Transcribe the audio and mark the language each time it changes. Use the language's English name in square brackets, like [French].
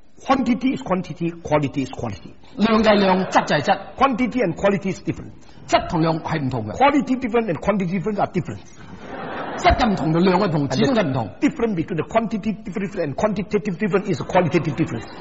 [English] Quantity is quantity, quality is quality。 [Cantonese] 量就系量，质就系质。 [English] Quantity and quality is different， [Cantonese] 质同量系唔同嘅。 [English] Quality different and quantity different are different。 [Cantonese] 质就唔同，就量嘅同，始终系唔同。 [English] Different between the quantity different and quantitative different is qualitative difference。